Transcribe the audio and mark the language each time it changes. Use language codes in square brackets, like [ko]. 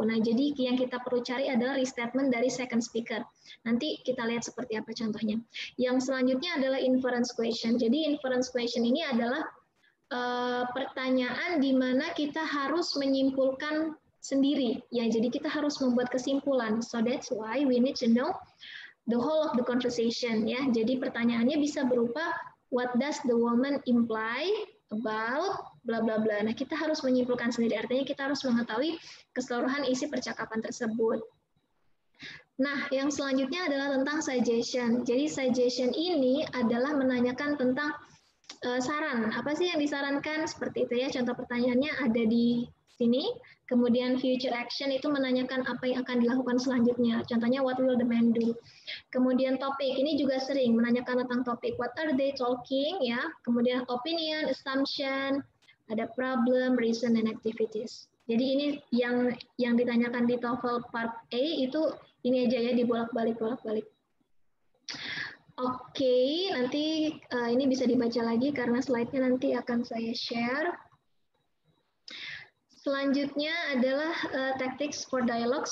[id] Nah, jadi yang kita perlu cari adalah restatement dari second speaker. Nanti kita lihat seperti apa contohnya. Yang selanjutnya adalah inference question. Jadi, inference question ini adalah pertanyaan di mana kita harus menyimpulkan sendiri. Ya, jadi kita harus membuat kesimpulan. [en] So, that's why we need to know the whole of the conversation, ya. [id] Jadi pertanyaannya bisa berupa [en] what does the woman imply about bla bla [id] bla. Nah, kita harus menyimpulkan sendiri, artinya kita harus mengetahui keseluruhan isi percakapan tersebut. Nah, yang selanjutnya adalah tentang suggestion. Jadi suggestion ini adalah menanyakan tentang saran. Apa sih yang disarankan? Seperti itu ya. Contoh pertanyaannya ada di sini. Kemudian future action itu menanyakan apa yang akan dilakukan selanjutnya. Contohnya, [en] what will the man do? [id] Kemudian topik, ini juga sering menanyakan tentang topik. [en] What are they talking? Ya. [id] Kemudian opinion, assumption, ada problem, reason, and activities. Jadi ini yang ditanyakan di TOEFL part A itu ini aja ya, dibolak-balik. Oke, nanti ini bisa dibaca lagi karena slide-nya nanti akan saya share. Selanjutnya adalah tactics for dialogues.